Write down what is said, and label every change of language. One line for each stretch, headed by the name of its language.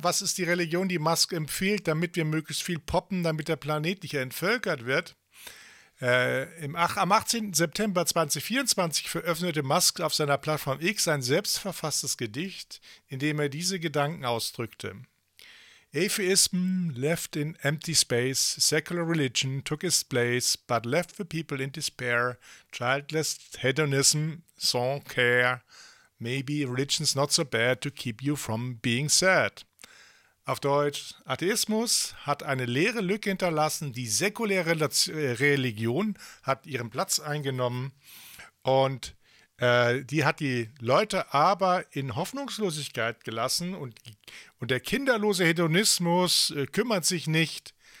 German: Was ist die Religion, die Musk empfiehlt, damit wir möglichst viel poppen, damit der Planet nicht entvölkert wird? Am 18. September 2024 veröffentlichte Musk auf seiner Plattform X ein selbstverfasstes Gedicht, in dem er diese Gedanken ausdrückte.
English: Atheism left in empty space, secular religion took its place, but left the people in despair, childless hedonism, sans care, maybe religion's not so bad to keep you from being sad.
German: Auf Deutsch, Atheismus hat eine leere Lücke hinterlassen, die säkuläre Religion hat ihren Platz eingenommen und die hat die Leute aber in Hoffnungslosigkeit gelassen und der kinderlose Hedonismus kümmert sich nicht.